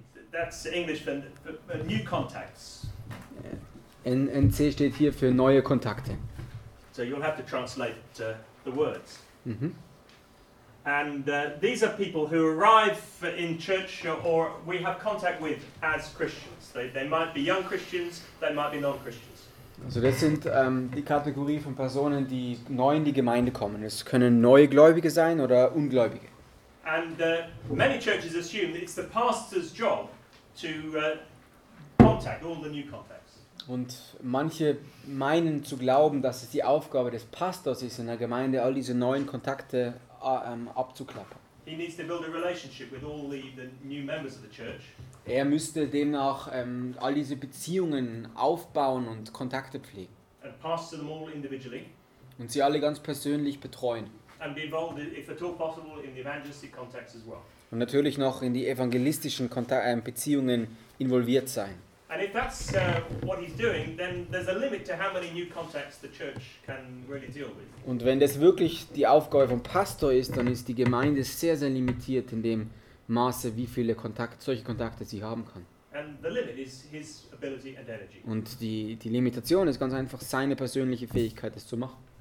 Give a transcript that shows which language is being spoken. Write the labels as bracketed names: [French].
[English] That's English for new contacts. [German] NC steht hier für neue Kontakte. [English] So you'll have to translate the words. Mm-hmm. And these are people who arrive in church or we have contact with as Christians. They might be young Christians, they might be non-Christians. [German] Also das sind die Kategorie von Personen, die neu in die Gemeinde kommen. Es können neue Gläubige sein oder Ungläubige. [English] And many churches assume that it's the pastor's job to contact all the new contacts. [German] Und manche meinen zu glauben, dass es die Aufgabe des Pastors ist, in der Gemeinde all diese neuen Kontakte abzuklappern. [English] He needs to build a relationship with all the new members of the church. [German] Er müsste demnach all diese Beziehungen aufbauen und Kontakte pflegen. [English] And pastor them all individually. [German] Und sie alle ganz persönlich betreuen. [English] And be involved, if at all possible, in the evangelistic context as well. [German] Und natürlich noch in die evangelistischen Beziehungen involviert sein. [English] And if that's what he's doing, then there's a limit to how many new contacts the church can really deal with. [German] Und wenn das wirklich die Aufgabe vom Pastor ist, dann ist die Gemeinde sehr, sehr limitiert in dem Maße, wie viele solche Kontakte sie haben kann. [English] And the limit is his ability and energy. [German] Und die Limitation ist ganz einfach seine persönliche Fähigkeit, das zu machen.